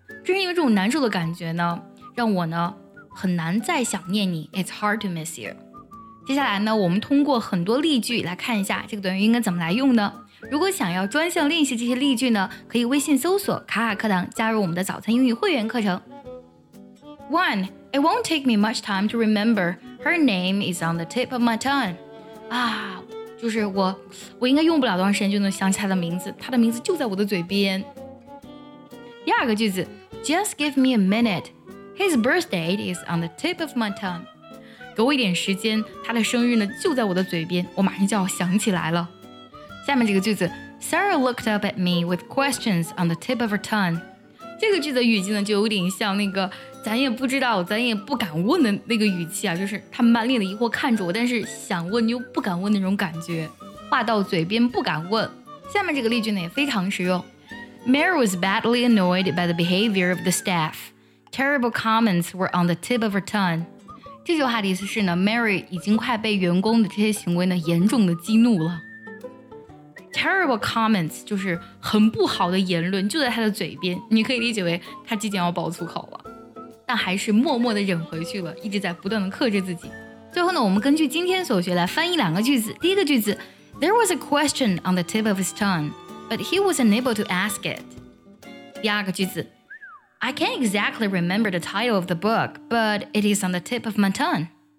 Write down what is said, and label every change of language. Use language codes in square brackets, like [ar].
[zh] 正是因为这种难受的感觉呢，让我呢很难再想念你。 [en] It's hard to miss you。 [zh] 接下来呢，我们通过很多例句来看一下这个短语应该怎么来用呢？如果想要专项练习这些例句呢，可以微信搜索卡卡课堂，加入我们的早餐英语会员课程。 [en] One。 It won't take me much time to remember. Her name is on the tip of my tongue. [zh] 啊，就是我应该用不了多长时间就能想起她的名字，她的名字就在我的嘴边。第二个句子， [en] Just give me a minute. His birthday is on the tip of my tongue. [zh] 给我一点时间，她的生日呢就在我的嘴边，我马上就要想起来了。下面这个句子， [en] Sarah looked up at me with questions on the tip of her tongue. [zh] 这个句子的语境呢，就有点像那个咱也不知道咱也不敢问的那个语气啊，就是他满脸的疑惑看着我，但是想问又不敢问那种感觉，话到嘴边不敢问。下面这个例句呢也非常实用。 [en] Mary was badly annoyed by the behavior of the staff. Terrible comments were on the tip of her tongue. [zh] 这句话的意思是呢， Mary 已经快被员工的这些行为呢严重的激怒了。 [en] Terrible comments [zh] 就是很不好的言论就在他的嘴边，你可以理解为他即将要爆粗口了，但还是默默地忍回去了，一直在不断地克制自己。最后呢，我们根据今天所学来翻译两个句子。第一个句子， [en] There was a question on the tip of his tongue, but he was unable to ask it. [zh] 第二个句子， [en] I can't exactly remember the title of the book, but it is on the tip of my tongue.